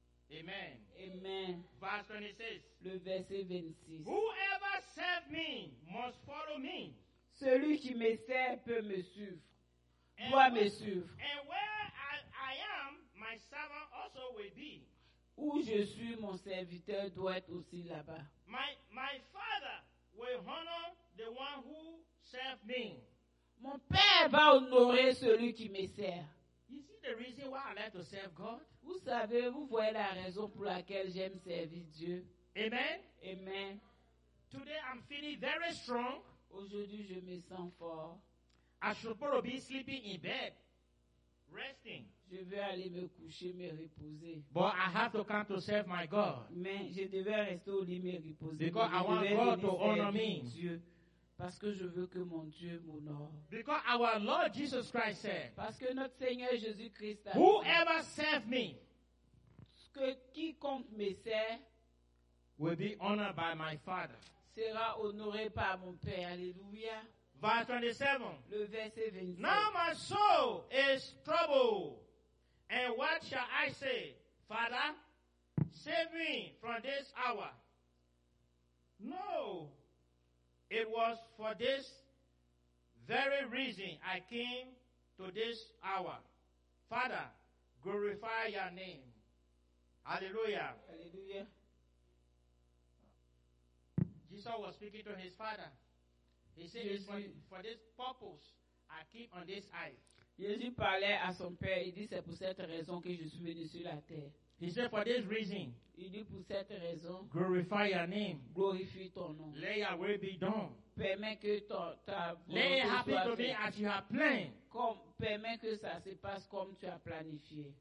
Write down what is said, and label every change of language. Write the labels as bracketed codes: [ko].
[en] Amen. [fr] Amen. [en] Verse 26. [fr] Le verset 26. [en] Whoever serves me must follow me. [fr] Celui qui me sert peut me suivre. Doit me suivre. [en] And where I am, my servant also will be. [fr] Où je suis, mon serviteur doit être aussi là-bas. [en] My father will honor the one who serves me. [fr] Mon père va honorer celui qui me sert. [en] You see the reason why I like to serve God? [fr] Vous savez, vous voyez la raison pour laquelle j'aime servir Dieu. [en] Amen. [fr] Amen. [en] Today I'm feeling very strong. [fr] Aujourd'hui, je me sens fort. [en] I should probably be sleeping in bed, resting. [fr] Je veux aller me coucher, me reposer. [en] But I have to come to serve my God. [fr] Mais je devais rester au lit, me reposer. [en] Because [fr] je [en] I want God to honor me. [fr] Dieu. Parce que je veux que mon Dieu m'honore. [en] Because our Lord Jesus Christ said, [fr] parce que notre Seigneur Jésus Christ a dit, [en] whoever serves me, [fr] ce que quiconque me sert, [en] will be honored by my Father. [fr] Sera honoré par mon Père. Alléluia. [en] Verse 27. [fr] Le verset 27. [en] Now my soul is troubled. And what shall I say? Father, save me from this hour. No. It was for this very reason I came to this hour. Father, glorify your name. Hallelujah. Hallelujah. Jesus was speaking to his father. He said, it's for this purpose I keep on this earth. [fr] Jésus parlait à son père. Il dit, c'est pour cette raison que je suis venu sur la terre. [en] He said, for this reason, [fr] il dit, pour cette raison, [en] glorify your name. [fr] Glorifie ton nom. [en] Let your will be done. [fr] Permets que ta [en] let it happen to me as you have planned. [fr] Permets que ça se passe comme tu as planifié.